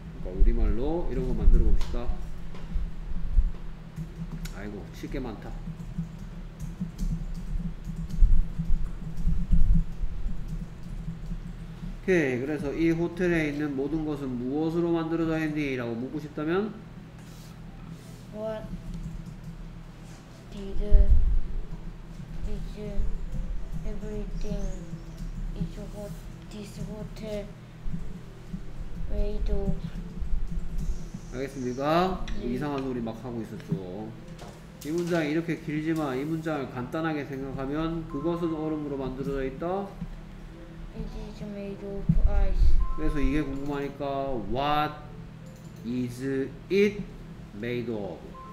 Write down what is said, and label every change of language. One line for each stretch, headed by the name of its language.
Korean: 그러니까 우리말로 이런 거 만들어 봅시다. 아이고, 칠 게 많다. 오케이. 그래서 이 호텔에 있는 모든 것은 무엇으로 만들어져 있니? 라고 묻고 싶다면?
English: What did is everything is what this hotel made of?
Korean: 알겠습니까? 네. 이상한 소리 막 하고 있었죠. 이 문장이 이렇게 길지만 이 문장을 간단하게 생각하면 그것은 얼음으로 만들어져 있다?
English: It is made of ice.
Korean: 그래서 이게 궁금하니까
English: What is it made of?